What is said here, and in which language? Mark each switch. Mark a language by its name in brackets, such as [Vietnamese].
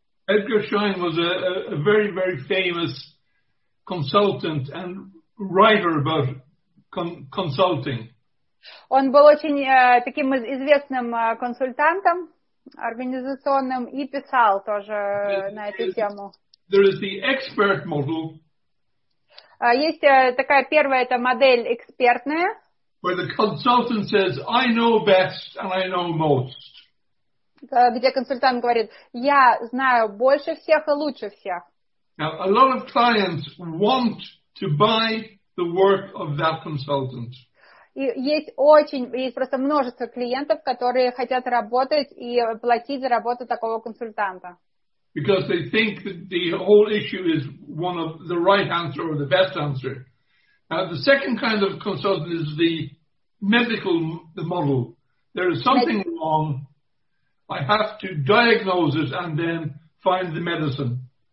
[English] Edgar Schein was a very, very famous consultant and writer about consulting. [Russian] Он был очень таким известным консультантом, организационным, и писал тоже на эту тему. [English] There is the expert model. [Russian] Есть такая первая, это модель экспертная. [English] Where the consultant says, I know best and I know most. [Russian] Где консультант говорит, я знаю больше всех и лучше всех. [English] Now, a lot of clients want to buy the work of that consultant. [Russian] И есть просто множество клиентов, которые хотят работать и платить за работу такого консультанта. [English] Because they think that the whole issue is one of the right answer or the best answer. Now, the second kind of consultant is the medical model. There is something wrong. I have to diagnose it and then find the medicine.